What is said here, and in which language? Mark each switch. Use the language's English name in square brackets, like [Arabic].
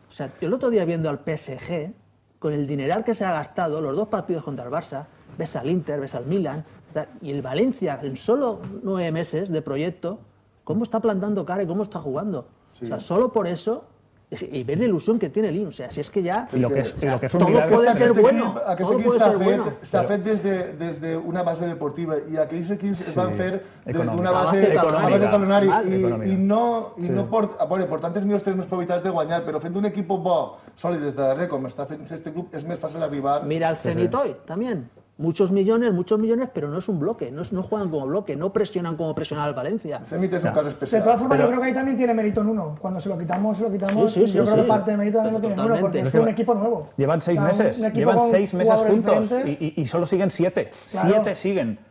[Spanish] O sea, el otro día viendo al PSG, con el dineral que se ha gastado, los dos partidos contra el Barça, ves al Inter, ves al Milan, y el Valencia en solo 9 meses de proyecto, cómo está plantando cara y cómo está jugando. Sí. O sea, solo por eso, y ver la ilusión que tiene Lim. O sea, si es que ya... Todo puede ser bueno. [Catalan] Aquest equip s'ha fet, des de una base deportiva, i aquells equips es van fer des d'una base talonari. I no per tant, és millor tenir més probabilitats de guanyar, però fent un equip bo, sòlid des de darrere, com està fent aquest club, és més fàcil arribar... Mira el Zenitoi, també. [Spanish] Muchos millones, pero no es un bloque, no juegan como bloque, no presionan como presionaba el Valencia. Zenit es un caso especial. De todas formas, yo creo que ahí también tiene mérito en uno. Cuando se lo quitamos, Sí, yo creo que parte de mérito también lo tiene en uno, porque es un equipo nuevo. Llevan seis meses, llevan seis meses juntos y solo siguen siete. Claro. Siete siguen.